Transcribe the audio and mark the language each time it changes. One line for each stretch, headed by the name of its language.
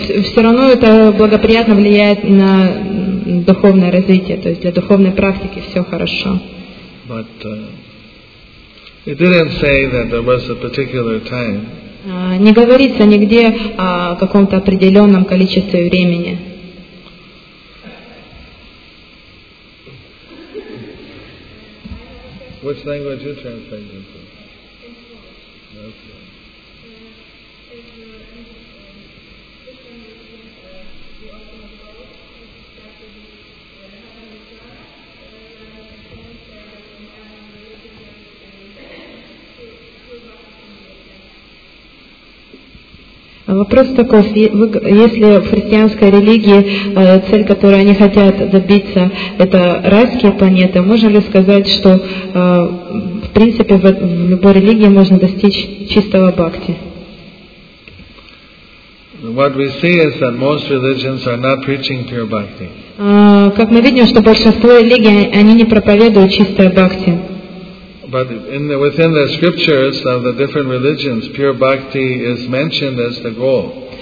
Russian: Все равно это благоприятно влияет на духовное развитие, то есть для духовной практики все хорошо.
English: But it didn't say that there was a particular time.
Russian: Не говорится нигде о каком-то определенном количестве времени.
English: Which language are you translating into?
Russian: Вопрос таков, если в христианской религии цель, которую они хотят добиться, это райские планеты, можно ли сказать, что в принципе в любой религии можно достичь чистого бхакти?
English: What we see is that most religions are not preaching pure bhakti.
Russian: Как мы видим, что большинство религий, они не проповедуют чистое бхакти.
English: But within the scriptures of the different religions, pure bhakti is mentioned as the goal.